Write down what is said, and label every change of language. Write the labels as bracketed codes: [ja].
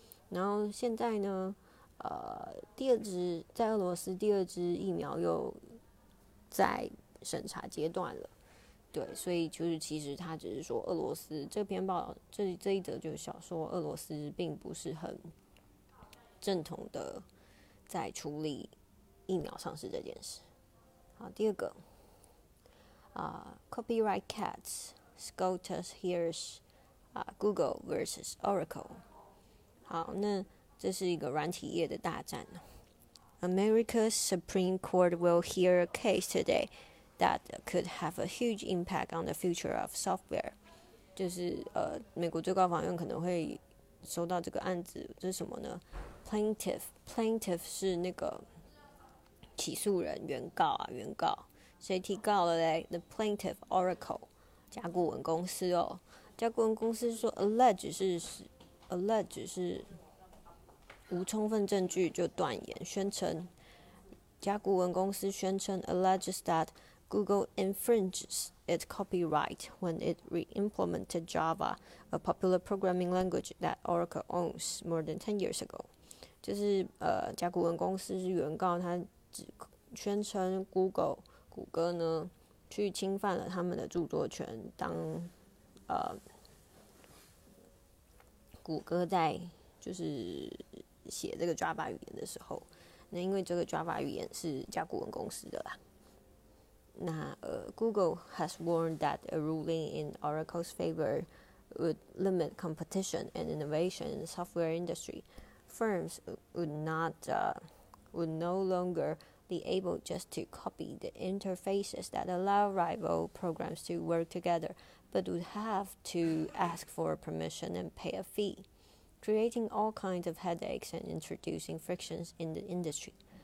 [zh] 然后现在呢，第二支在俄罗斯第二支疫苗又在审查阶段了，对，所以就是其实他只是说俄罗斯这篇报道这一则就是小说，俄罗斯并不是很正统的在处理疫苗上市这件事。 [en] 好， [zh] 第二个 [en] copyright cats SCOTUS hears Google versus Oracle。 [zh] 好，那这是一个软体业的大战。 [en] America's Supreme Court will hear a case today that could have a huge impact on the future of software。 [zh] 就是美国最高法院可能会收到这个案子，这是什么呢？ Plaintiff 是那个起诉人，原告啊，原告谁提告了嘞？ [en] The plaintiff Oracle [zh] 甲骨文公司哦，甲骨文公司说 [en] Allege [zh] 是无充分证据就断言，甲骨文公司宣称 [en] Alleges that Google infringes its copyright when it re-implemented Java, a popular programming language that Oracle owns, more than 10 years ago。 [zh] 就是甲骨文公司是原告，他宣称 谷歌呢去侵犯了他们的著作权，当谷歌在就是写这个 Java 语言的时候，那因为这个 Java 语言是甲骨文公司的啦。 [en] 那Google has warned that a ruling in Oracle's favor would limit competition and innovation in the software industry. Firms would no longer be able just to copy the interfaces that allow rival programs to work together, but would have to ask for permission and pay a fee, creating all kinds of headaches and introducing frictions in the industry.